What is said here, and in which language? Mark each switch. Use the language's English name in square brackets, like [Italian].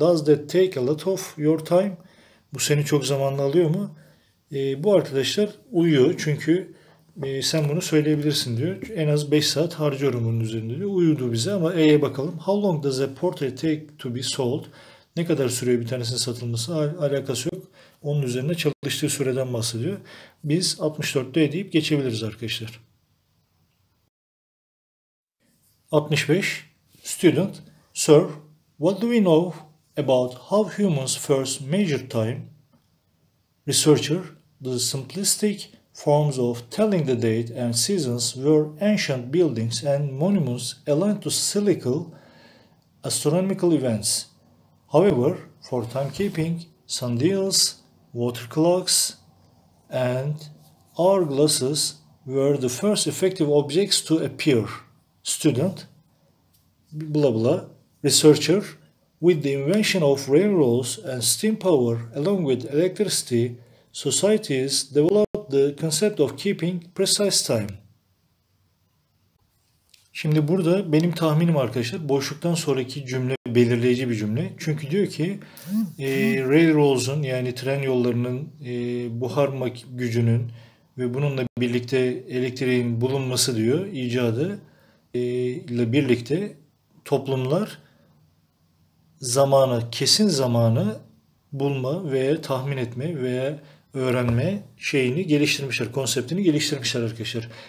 [English] Does that take a lot of your time? [Turkish] Bu seni çok zamanlı alıyor mu? Bu arkadaşlar uyuyor çünkü sen bunu söyleyebilirsin diyor. En az 5 saat harcıyorum bunun üzerinde diyor. Uyudu bize ama E'ye bakalım. [English] How long does a portrait take to be sold? [Turkish] Ne kadar sürüyor bir tanesinin satılması? Alakası yok. Onun üzerine çalıştığı süreden bahsediyor. Biz 64'te deyip geçebiliriz arkadaşlar. [English] 65. Student. Sir, what do we know about how humans first measure time? Researcher, the simplistic forms of telling the date and seasons were ancient buildings and monuments aligned to cyclical astronomical events. However, for timekeeping, sundials, water clocks, and hourglasses were the first effective objects to appear. Student, blah blah, researcher, with the invention of railroads and steam power along with electricity, societies developed the concept of keeping precise time. [Turkish] Şimdi burada benim tahminim arkadaşlar boşluktan sonraki cümle belirleyici bir cümle. Çünkü diyor ki railroads'un yani tren yollarının buhar gücünün ve bununla birlikte elektriğin bulunması diyor icadı ile birlikte toplumlar zamanı, kesin zamanı bulma veya tahmin etme veya öğrenme şeyini geliştirmişler, konseptini geliştirmişler arkadaşlar.